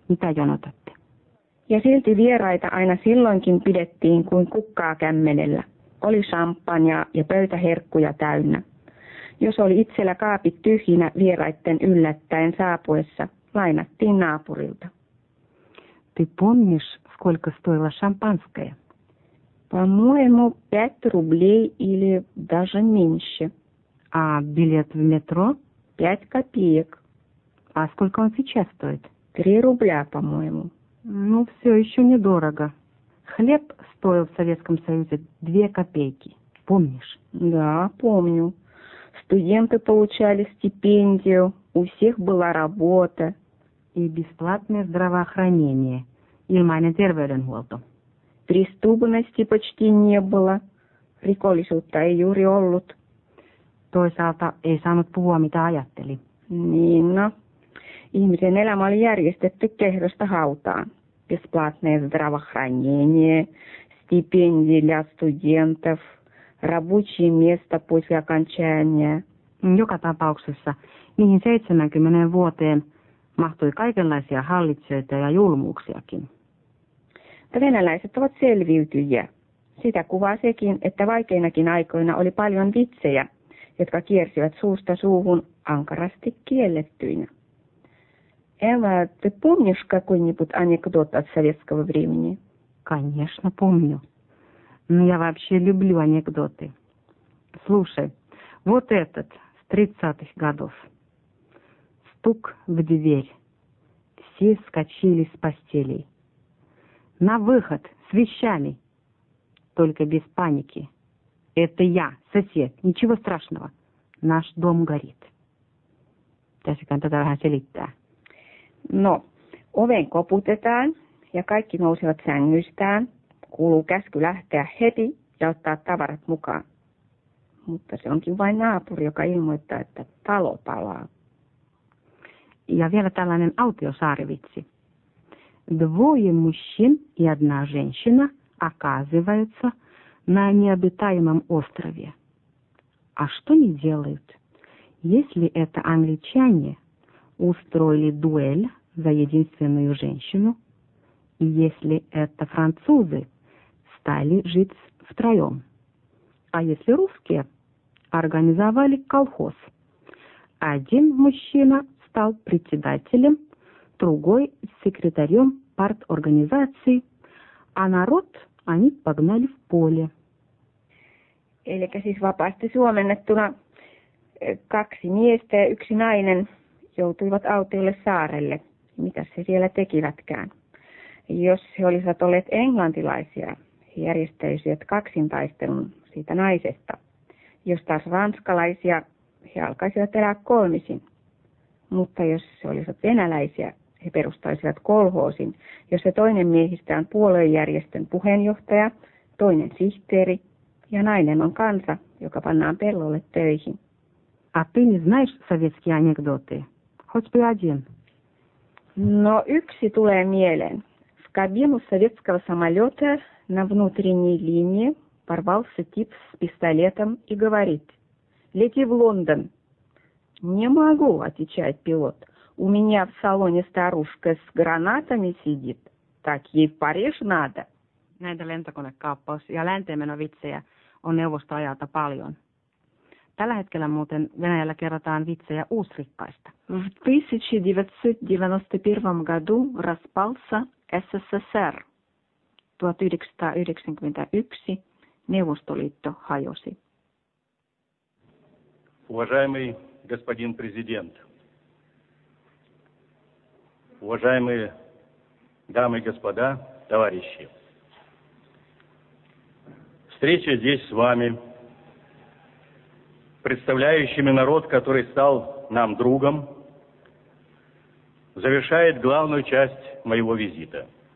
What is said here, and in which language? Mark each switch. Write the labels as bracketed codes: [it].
[fi] Mitä jonotatte? Ja silti vieraita aina silloinkin pidettiin kuin kukkaa kämmenellä. Oli champagnea ja pöytäherkkuja täynnä. Jos oli itsellä kaapit tyhjinä vieraitten yllättäen saapuessa, lainattiin naapurilta. [ru] Ты помнишь, сколько стоила шампанское? По-моему, 5 рублей или даже меньше. А билет в метро? 5 копеек. А сколько он сейчас стоит? 3 рубля, по-моему. Ну, все еще недорого. Хлеб стоил в Советском Союзе 2 копейки. Помнишь? Да, помню. Студенты получали стипендию, у всех была работа. И бесплатное здравоохранение. [fi] Ilmainen terveydenhuolto. [ru] Преступности почти не было. [fi] Rikollisuutta ei juuri ollut. Toisaalta ei saanut puhua, mitä ajatteli. Niin no. Ihmisen elämä oli järjestetty kehdosta hautaan. [ru] Бесплатное здравоохранение, стипендии для студентов, рабочее место после окончания. [fi] Joka tapauksessa niihin 70 vuoteen mahtui kaikenlaisia hallitsijoita ja julmuuksiakin. Venäläiset ovat selviytyjiä. Sitä kuvaa sekin, että vaikeinakin aikoina oli paljon vitsejä, jotka kiersivät suusta suuhun ankarasti kiellettyinä. [ru] Эва, ты помнишь какой-нибудь анекдот от советского времени? Конечно, помню. Но я вообще люблю анекдоты. Слушай, вот этот с 30-х годов. Стук в дверь. Все вскочили с постелей. На выход с вещами. Только без паники. Это я, сосед. Ничего страшного. Наш дом горит. Сейчас я вам это расскажу. Но [fi] Oven koputetaan ja kaikki nousevat sängystään. Kuuluu käsky lähteä heti ja ottaa tavarat mukaan. Mutta se onkin vain naapuri, joka ilmoittaa, että talo palaa. Ja vielä tällainen autiosaarivitsi. [ru] Двое мужчин и одна женщина оказываются на необитаемом острове. А что они делают? Если это англичане устроили дуэль за единственную женщину, и если это французы стали жить втроем, а если русские организовали колхоз. Один мужчина стал председателем, другой секретарем парторганизации, а народ они погнали в поле. [fi] Eli siis vapaasti suomennettuna kaksi miestä ja yksi nainen joutuivat autiolle saarelle. Mitä se siellä tekivätkään? Jos he olisivat olleet englantilaisia, he järjestäisivät kaksintaistelun siitä naisesta. Jos taas ranskalaisia, he alkaisivat elää kolmisin. Mutta jos he olisivat venäläisiä, he perustaisivat kolhoosin, jossa toinen miehistä on puoluejärjestön puheenjohtaja, toinen sihteeri ja nainen on kansa, joka pannaan pellolle töihin. [ru] А ты не знаешь советские анекдоты? Хоть бы один. [fi] Но yksi tulee mieleen. [ru] В кабину советского самолета на внутренней линии порвался тип с пистолетом и говорит. Лети в Лондон. Не могу, отвечает пилот. У меня в салоне старушка с гранатами сидит. Так ей в Париж надо. [fi] Näitä lentokonekaappaus- ja länteenmenovitsejä on neuvostoajalta paljon. Tällä hetkellä muuten Venäjällä kerrotaan vitsejä uusrikkaista. [ru] В 1991 году распался СССР. [fi] 1991 Neuvostoliitto hajosi. [ru] Уважаемый господин президент. Уважаемые дамы и господа, товарищи. Встреча здесь с вами, представляющими народ, который стал нам другом, завершает главную часть моего визита.